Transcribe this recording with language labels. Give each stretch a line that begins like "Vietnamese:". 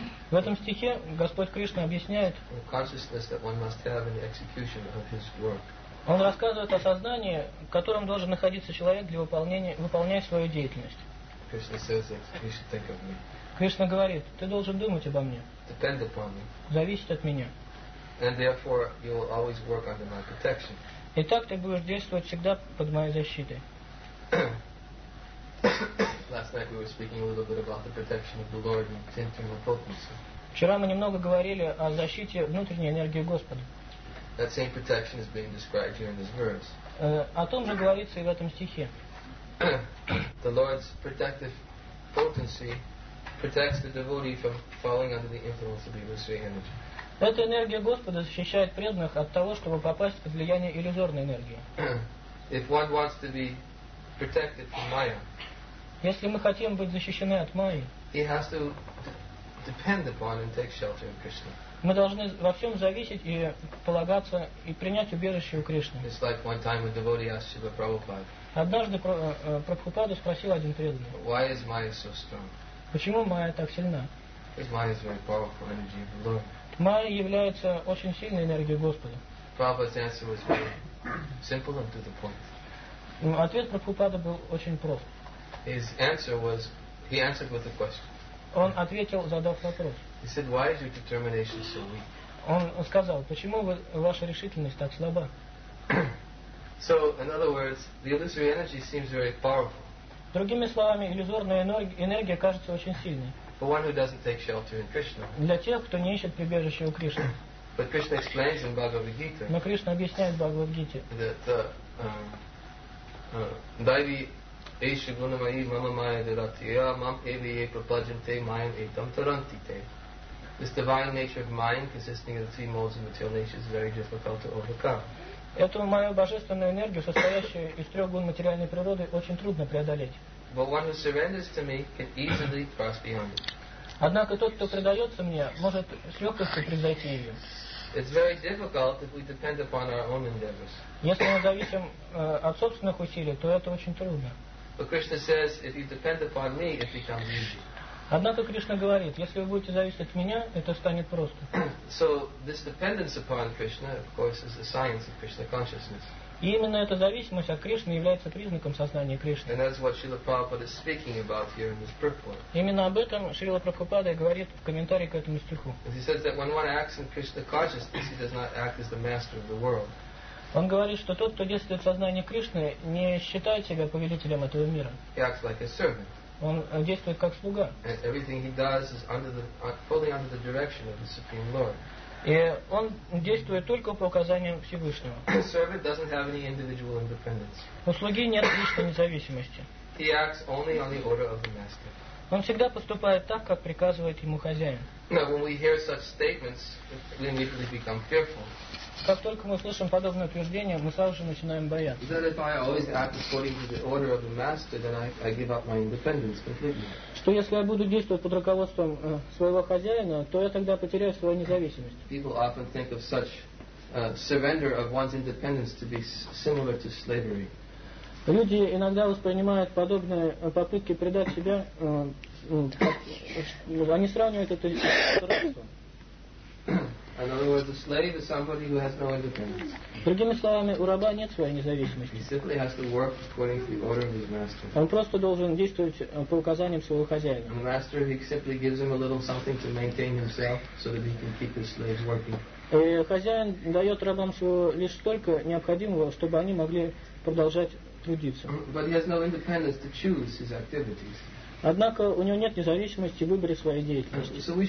Russian: В этом стихе Господь Кришна объясняет.
English: The consciousness that one must have in the execution of his work.
Russian: Он рассказывает о сознании, в котором должен находиться человек для выполняя свою деятельность.
English: Krishna says that you should think of me.
Russian: Кришна говорит, ты должен думать обо мне.
English: Depend upon me.
Russian: Зависеть от меня.
English: And therefore you will always work under my protection.
Russian: И так ты будешь действовать всегда под моей защитой.
English: Last night we were speaking a little bit about the protection of the Lord and the internal potency.
Russian: Вчера мы немного говорили о защите внутренней энергии Господа.
English: That same protection is being described here in this verse.
Russian: О том же говорится и в этом стихе.
English: The Lord's protective potency protects the devotee from falling under the influence of evil sri energy.
Russian: Эта энергия Господа защищает преданных от того, чтобы попасть под влияние иллюзорной энергии.
English: If one wants to be protected from Maya.
Russian: Если мы хотим быть защищены от Майи,
English: he has to depend upon and take shelter in Krishna.
Russian: Мы должны во всем зависеть и полагаться и принять убежище у Кришны.
English: It's like one time a devotee asked Shiva Prabhupada.
Russian: Однажды Прабхупада спросил один преданный.
English: Why is Maya so strong?
Russian: Почему Майя так сильна?
English: Because Maya is very powerful energy of the Lord.
Russian: Майя является очень сильной энергией Господа.
English: Prabhupada's answer was very simple and to the point.
Russian: Ответ Прабхупады был очень прост.
English: His answer was, he answered with a question.
Russian: Он ответил, задав вопрос.
English: He said, why is your determination so weak?
Russian: Он сказал, почему ваша решительность так слаба?
English: So, in other words, the illusory energy seems very powerful.
Russian: Другими словами, иллюзорная энергия кажется очень сильной.
English: For one who doesn't take shelter in Krishna.
Russian: Для тех, кто не ищет прибежище у Кришны.
English: But Krishna explains in Bhagavad Gita.
Russian: Но Кришна объясняет в Бхагавад Гите.
English: That the
Sanskrit: Daivi Эйши Гуна Майи Мама Майя Дератия Мам Эви Е Пропаджанте Майя Е Там Тарантите.
English: This divine nature of mind, consisting of the three modes of material nature, is very difficult to overcome.
Russian: Эту мою божественную энергию, состоящую из трех гун материальной природы, очень трудно преодолеть.
English: But one who surrenders to me can easily cross beyond it.
Russian: Однако тот, кто предается мне, может с легкостью превзойти ее.
English: It's very difficult if we depend upon our own endeavors.
Russian: Если мы зависим от собственных усилий, то это очень трудно.
English: But Krishna says, if you depend upon me, it becomes easy.
Russian: Однако Кришна говорит, если вы будете зависеть от меня, это станет просто.
English: So this dependence upon Krishna, of course, is a science of Krishna consciousness.
Russian: И именно эта зависимость от Кришны является признаком сознания Кришны.
English: And that's what Srila Prabhupada is speaking about here in this purport.
Russian: Именно об этом Шрила Прабхупада говорит в комментарии к этому стиху.
English: He says that when one acts in Krishna consciousness, he does not act as the master of the world.
Russian: Он говорит, что тот, кто действует в сознании Кришны, не считает себя повелителем этого мира.
English: He acts like a servant.
Russian: Он действует как слуга.
English: And everything he does is under the, fully under the direction of the Supreme Lord.
Russian: И он действует только по указаниям Всевышнего.
English: The servant doesn't have any individual independence.
Russian: У слуги нет личной независимости.
English: He acts only on the order of the master.
Russian: Он всегда поступает так, как приказывает ему хозяин.
English: Now, when we hear such statements, we immediately become fearful.
Russian: Как только мы слышим подобное утверждение, мы сразу же начинаем бояться. Что если я буду действовать под руководством своего хозяина, то я тогда потеряю свою независимость.
English: People often think of such surrender of one's independence to be similar to slavery.
Russian: Люди иногда воспринимают подобные попытки предать себя, они сравнивают это с рабством.
English: In other words, a slave is somebody who has no independence.
Russian: Другими словами, у раба нет своей независимости.
English: He simply has to work according to the order of his master.
Russian: Он просто должен действовать по указаниям своего хозяина.
English: The master, he simply gives him a little something to maintain himself so that he can keep his slaves working.
Russian: И хозяин дает рабам всего лишь столько необходимого, чтобы они могли продолжать трудиться.
English: But he has no independence to choose his activities.
Russian: Однако у него нет независимости в выборе своей деятельности.